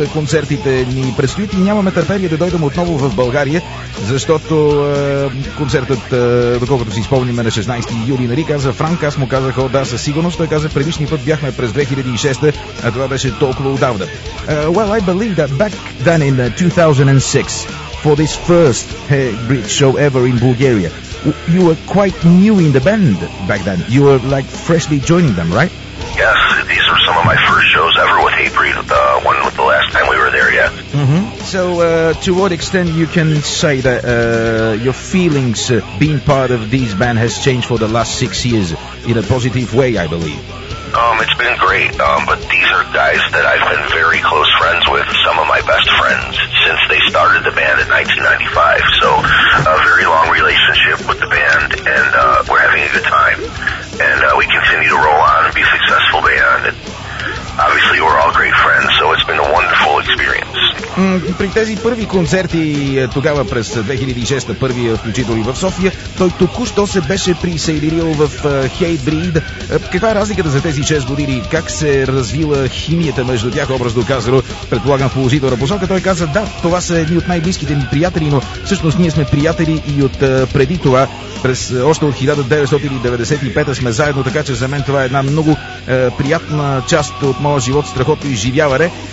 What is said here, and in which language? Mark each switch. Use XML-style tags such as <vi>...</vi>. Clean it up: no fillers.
<bg>Концертите ни предстоят и нямаме търпение да дойдем отново в България, защото концертът, доколкото си спомним, на 16 юли на Рика, за Франк, аз му казах, да, със сигурност. Той каза, предишния път бяхме през 2006, а това беше толкова отдавна.</bg> <en>Well, I believe that back then in 2006, for this first hybrid show ever in Bulgaria, you were quite new in the band back then. You were like freshly joining them, right? Yes, these were some of my first shows ever with Hybrid, the one with the last time we were there, yeah. So, to what extent you can say that your feelings being part of this band has changed for the last 6 years in a positive way, I believe? It's been great, but these are guys that I've been very close friends with, some of my best friends, since they started the band in 1995. So, a very long relationship with the band, and we're having a good time. And we continue to roll on and be a successful band. And obviously, we're all great friends, so it's been a wonderful experience.</en> <bg>При тези първи концерти тогава през 2006, първия включително и в София, той току-що се беше присъединил в Hybrid. Каква е разликата за тези 6 години? Как се развила химията между тях, образно казано, предполагам в положителна посока? Той каза, да, това са едни от най-близките ми приятели, но всъщност ние сме приятели и от преди това, през още от 1995 сме заедно, така че за мен това е една много приятна част от моя живот, страхотно изживяване.</bg>